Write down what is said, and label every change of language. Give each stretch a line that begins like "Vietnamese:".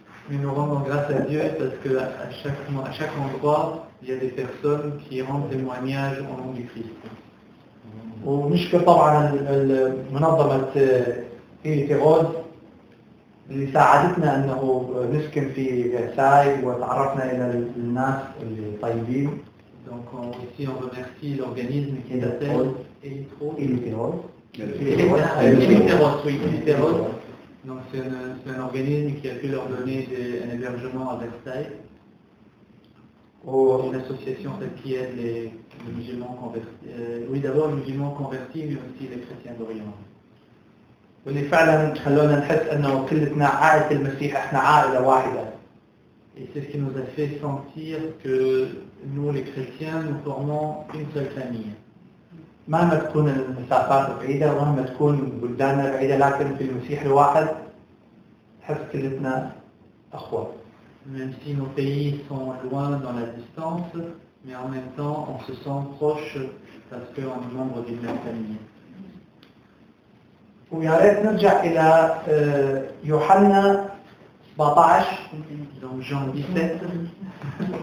French: Mais nous rendons grâce à Dieu parce qu'à chaque endroit, il y a des personnes qui rendent témoignage au nom du Christ.
Arabic: اللي ساعدتنا انه نسكن في فرساي وتعرفنا الى الناس الطيبين.
French: Donc on aussi on remercie l'organisme qui est appelé Eliteros. Donc c'est un organisme qui a pu leur donner un hébergement à Versailles. Une association qui aide les musulmans convertis. Oui d'abord les musulmans convertis mais aussi les chrétiens d'Orient.
Arabic: واللي فعلا خلونا نحس انه كلتنا عائلة المسيح احنا عائلة واحدة.
French: Et c'est ce qui nous a fait sentir que nous les chrétiens nous formons une seule famille.
Arabic: مهما تكون المسافات بعيدة ومهما تكون بلداننا بعيدة لكن في المسيح الواحد نحس كلتنا اخوة.
French: Même si nos pays sont loin dans la distance, mais en même temps on se sent proche parce qu'on est membre d'une même famille.
Arabic: ويا ريت نرجع الى يوحنا 17
French: دون جون 17